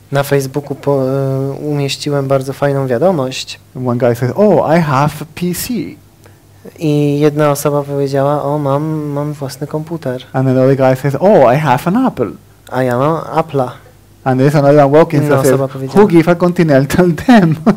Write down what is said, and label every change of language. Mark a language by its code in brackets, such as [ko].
[pl] Na Facebooku umieściłem bardzo fajną wiadomość. [en] And one guy said, oh, I have a PC. [pl] I jedna osoba powiedziała, o, mam własny komputer. [en] And another guy says, oh, I have an Apple. [pl] A ja mam Apple'a. [en] And there's another one walking and says, who give a Continental them?